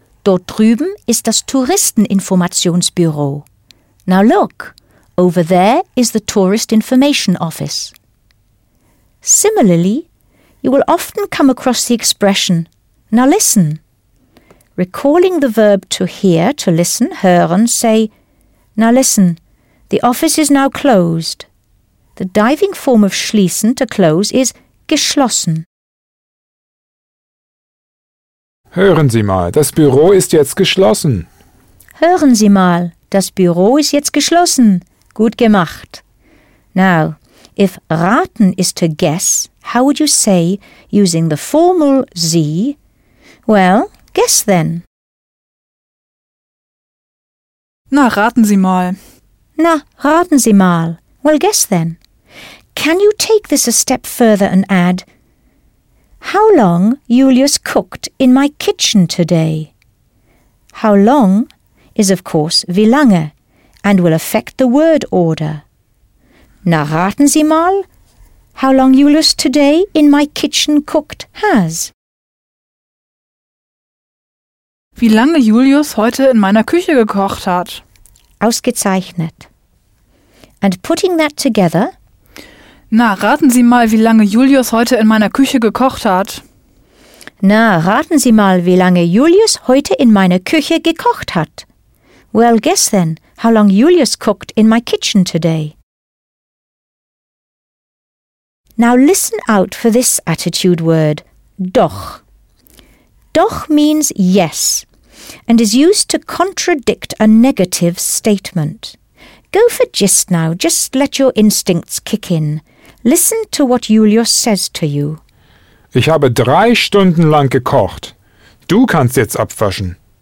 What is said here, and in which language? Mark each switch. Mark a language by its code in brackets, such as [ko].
[de] Dort drüben ist das Touristeninformationsbüro. [en] Now look. Over there is the tourist information office. Similarly, you will often come across the expression, now listen. Recalling the verb to hear, to listen, hören, say, now listen, the office is now closed. The diving form of schließen, to close, is geschlossen. [de] Hören Sie mal, das Büro ist jetzt geschlossen. Hören Sie mal, das Büro ist jetzt geschlossen. Gut gemacht. [en] Now, if raten is to guess, how would you say, using the formal Sie? Well, guess then. [de] Na, raten Sie mal. Na, raten Sie mal. [en] Well, guess then. Can you take this a step further and add, how long Julius cooked in my kitchen today? How long is, of course, wie lange, and will affect the word order. [de] Na, raten Sie mal, [en] how long Julius today in my kitchen cooked has. [de] Wie lange Julius heute in meiner Küche gekocht hat. Ausgezeichnet. [en] And putting that together. [de] Na, raten Sie mal, wie lange Julius heute in meiner Küche gekocht hat. Na, raten Sie mal, wie lange Julius heute in meiner Küche gekocht hat. [en] Well, guess then, how long Julius cooked in my kitchen today. Now listen out for this attitude word, doch. Doch means yes, and is used to contradict a negative statement. Go for gist now, just let your instincts kick in. Listen to what Julius says to you. [de] Ich habe 3 Stunden lang gekocht. Du kannst jetzt abwaschen.